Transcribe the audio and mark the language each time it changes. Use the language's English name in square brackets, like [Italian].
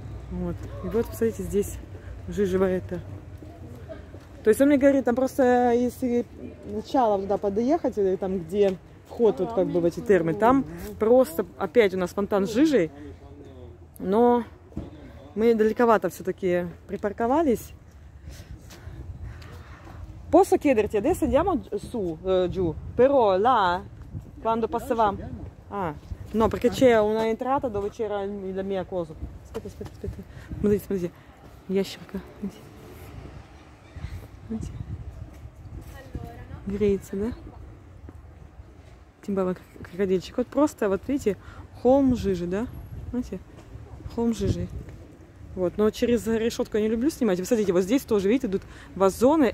[Russian] Вот, и вот, посмотрите, здесь жижа это. То есть он мне говорит, там просто если сначала туда подъехать, или там где вход вот как бы в эти термы, там просто опять у нас фонтан с жижей, но мы далековато все-таки припарковались. [Italian] Posso chiederti, adesso andiamo su, giù, però là, quando passavamo... Ah, no, perché c'è una entrata dove c'era la mia cosa. Aspetta, aspetta, aspetta. [Russian] Смотрите, смотрите, ящерка. Греется, да? Тимбаба, крокодильчик. Вот просто, вот видите, холм жижи, да? Знаете? Холм жижи. Вот, но через решетку я не люблю снимать. Посмотрите, вот здесь тоже, видите, идут вазоны.